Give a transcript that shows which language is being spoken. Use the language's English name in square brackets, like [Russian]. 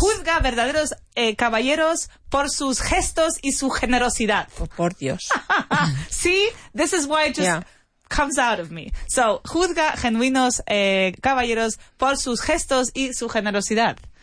[Spanish] Juzga verdaderos caballeros por sus gestos y su generosidad. Por Dios. [English] See, this is why it just comes out of me. [Spanish] So, juzga genuinos caballeros por sus gestos y su generosidad.